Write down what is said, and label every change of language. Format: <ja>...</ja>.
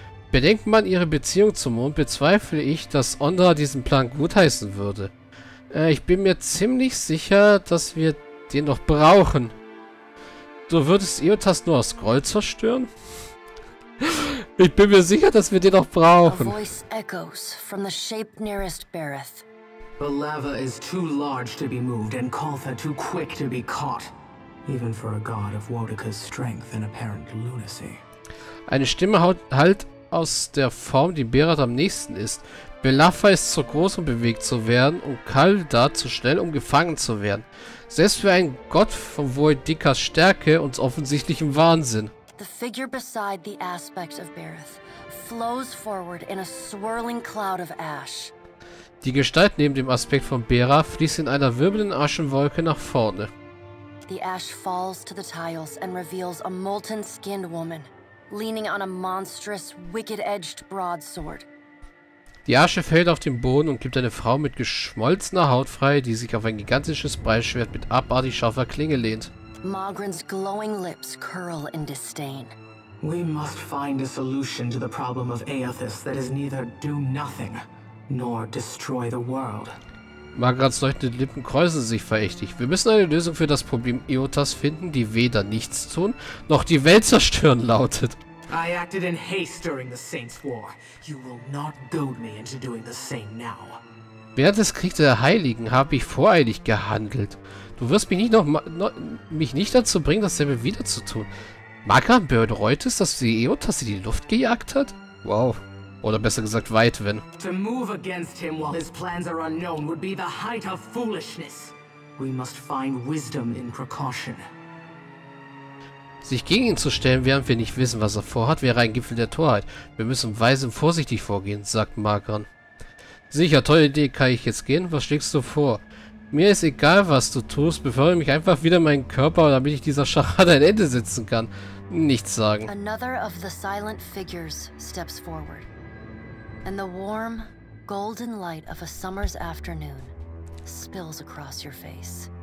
<de>Bedenkt man ihre Beziehung zum Mond, bezweifle ich, dass Ondra diesen Plan gutheißen würde. Ich bin mir ziemlich sicher, dass wir den noch brauchen. Du würdest Iotas nur aus Groll zerstören? Ich bin mir sicher, dass wir den noch brauchen.</de> <en>A voice echoes from the shape nearest Barath. The lava is too large to be moved and Kaltha too quick to be caught. Even for a god of Wodica's strength and apparent lunacy.</en> <de>Eine Stimme halt aus der Form, die Barath am nächsten ist. Belafa ist zu groß, um bewegt zu werden, und Kalda zu schnell, um gefangen zu werden. Selbst für einen Gott von Wodicas Stärke und offensichtlichem Wahnsinn.</de> <en>The figure beside the aspect of Barath flows forward in a swirling cloud of ash.</en> <de>Die Gestalt neben dem Aspekt von Barath fließt in einer wirbelnden Aschenwolke nach vorne.</de> <en>The ash falls to the tiles and reveals a molten-skinned woman, leaning on a monstrous, wicked-edged broadsword.</en> <de>Die Asche fällt auf den Boden und gibt eine Frau mit geschmolzener Haut frei, die sich auf ein gigantisches Beilschwert mit abartig scharfer Klinge lehnt.</de> <en>Magrin's glowing lips curl in disdain. We must find a solution to the problem of Aethys that is neither do nothing nor destroy the world.</en> <de>Margrats leuchtende Lippen kreuzen sich verächtlich. Wir müssen eine Lösung für das Problem Iotas finden, die weder nichts tun, noch die Welt zerstören lautet.</de> <en>I acted in haste during the Saints War. You will not goad me into doing the same now.</en> <de>Während des Kriegs der Heiligen habe ich voreilig gehandelt. Du wirst mich nicht mich nicht dazu bringen, dasselbe wieder zu tun. Margaret bereut es, dass sie Iotas in die Luft gejagt hat? Wow. Oder besser gesagt, Weitwin.</de> <en>To move against him while his plans are unknown would be the height of foolishness. We must find wisdom in precaution.</en> <de>Sich gegen ihn zu stellen, während wir nicht wissen, was er vorhat, wäre ein Gipfel der Torheit. Wir müssen weise und vorsichtig vorgehen, sagt Margaret. Sicher, tolle Idee, kann ich jetzt gehen? Was schlägst du vor? Mir ist egal, was du tust, befördere mich einfach wieder in meinen Körper, damit ich dieser Scharade ein Ende setzen kann. Nichts sagen.</de> <en>Another of the silent figures steps forward. And the warm, golden light of a summer's afternoon spills across your face.</en>